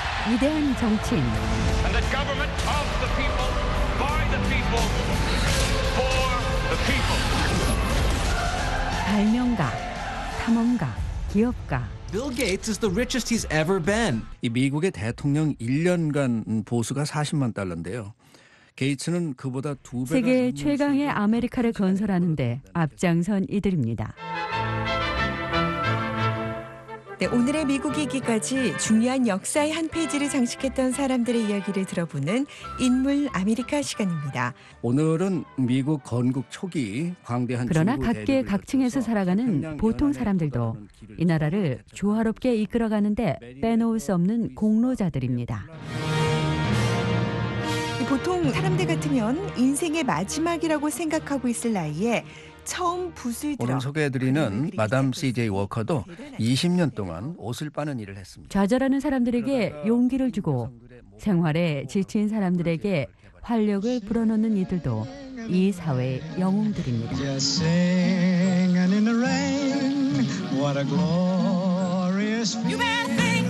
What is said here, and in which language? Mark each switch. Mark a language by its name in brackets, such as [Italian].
[Korean] 위대한 정치인 [English] And the government of the people, by the people, for the people. [Korean] 발명가, 탐험가, 기업가 [English] Bill Gates is the richest he's ever been. [Korean] 이 미국의 대통령 1년간 보수가 40만 달러인데요. 게이츠는 그보다 두 배나 세계 최강의 아메리카를 건설하는데 앞장선 이들입니다. 네, 오늘의 미국이기까지 중요한 역사의 한 페이지를 장식했던 사람들의 이야기를 들어보는 인물 아메리카 시간입니다. 오늘은 미국 건국 초기 광대한 그러나 각계 각층에서 살아가는 보통 사람들도 이 나라를 조화롭게 이끌어가는데 빼놓을 수 없는 공로자들입니다. 보통 사람들 같으면 인생의 마지막이라고 생각하고 있을 나이에 처음 붓을 들어 오늘 소개해드리는 마담 CJ 워커도 20년 동안 옷을 빠는 일을 했습니다. 좌절하는 사람들에게 용기를 주고 생활에 지친 사람들에게 활력을 불어넣는 이들도 이 사회의 영웅들입니다. [English] Just singing in the rain, what a glorious feeling.